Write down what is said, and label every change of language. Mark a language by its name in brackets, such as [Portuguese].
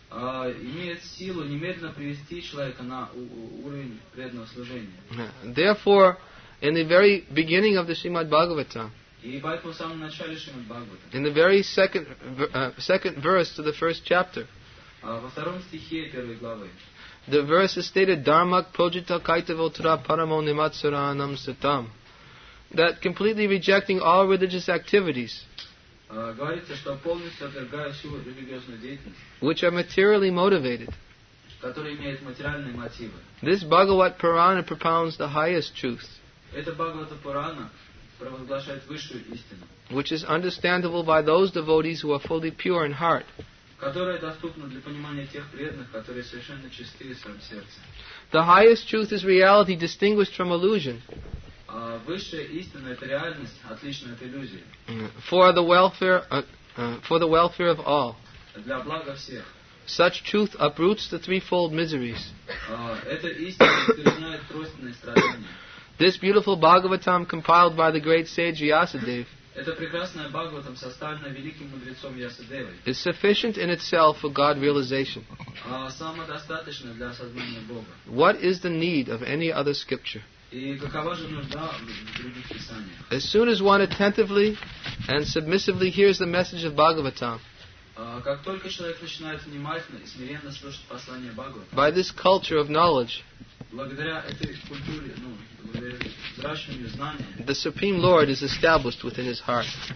[English] Therefore, in the very beginning of the Srimad Bhagavatam, in the very second verse to the first chapter, the verse is stated, [Sanskrit] Dharmak Pojita Kaitavotra Paramo Nimatsaranam Satam. [English] That completely rejecting all religious activities. [Russian] говорится, что полностью отвергая силу религиозной деятельности, [English] which are materially motivated. [Russian] Которые имеют материальные мотивы. [English] This Bhagavat Purana propounds the highest truth. [Russian] Это Бхагавата Пурана провозглашает высшую истину. [English] Which is understandable by those devotees who are fully pure in heart. [Russian] Которая доступна для понимания тех преданных, которые совершенно чисты в своем сердце. [English] The highest truth is reality distinguished from illusion. [Russian] Высшая истина – это реальность, отличная от иллюзии. [English] For the welfare of all. [Russian] Для блага всех. [English] Such truth uproots the threefold miseries. [Russian] Эта истина искореняет тройственные страдания. [English] This beautiful Bhagavatam compiled by the great sage Vyasadeva. [Russian] Это прекрасное Бхагаватам, составленное великим мудрецом Ясадевой. [English] Is sufficient in itself for God realization. [Russian] Самодостаточно для осознания Бога. [English] What is the need of any other scripture? [Russian] И какова же нужда в других писаниях? [English] As soon as one attentively and submissively hears the message of Bhagavatam. [Russian] Как только человек начинает внимательно и смиренно слушать послание Бхагавата. [English] By this culture of knowledge. [Russian] Благодаря этой культуре, [English] The Supreme Lord is established within his heart.